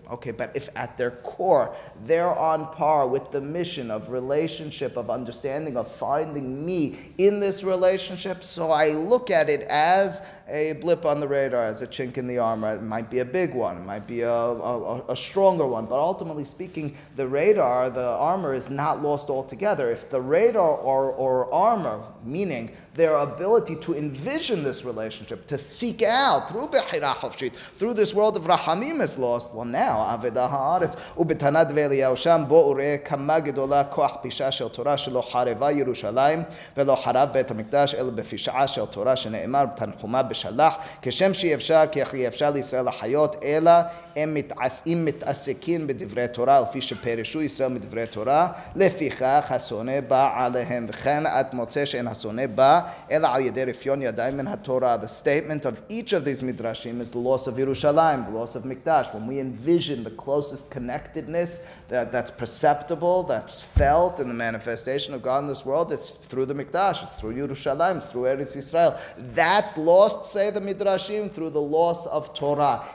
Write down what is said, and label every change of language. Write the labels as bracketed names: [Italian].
[English] Okay, but if at their core they're on par with the mission of relationship, of understanding, of finding me in this relationship, so I look at it as a blip on the radar, as a chink in the armor. It might be a big one, it might be a stronger one, but ultimately speaking, the radar, the armor, is not lost altogether. If the radar or armor, meaning their ability to envision this relationship, to seek out through Bechira Chofshit, through this world of Rahamim, is lost, well now, [Hebrew] Aveda Haaretz, Ubitanad Ve'eliyahu Sham, Bo Ureh, Kama Gedola, Koach Pisha Shel Torah, Shelo Hareva Yerushalayim, Velo Harav Bet HaMikdash, Elo Befisha Shel Torah, Shene'emar, Tanchuma בשלח כשם שי אפשר כי אחי אפשר לישראל לחיות אלא הם מתעסקים בדברי תורה לפי שפרשו ישראל מדברי תורה לפיכך השונא בא עליהם וכן את מוצא שאין השונא בא אלא על ידי רפיון ידיים מן התורה. [English] The statement of each of these midrashim is the loss of Yerushalayim, the loss of Mikdash. When we envision the closest connectedness that's perceptible, that's felt in the manifestation of God in this world, it's through the Mikdash, it's through Yerushalayim, it's through Eretz Yisrael. That's lost, say the midrashim, through the loss of Torah.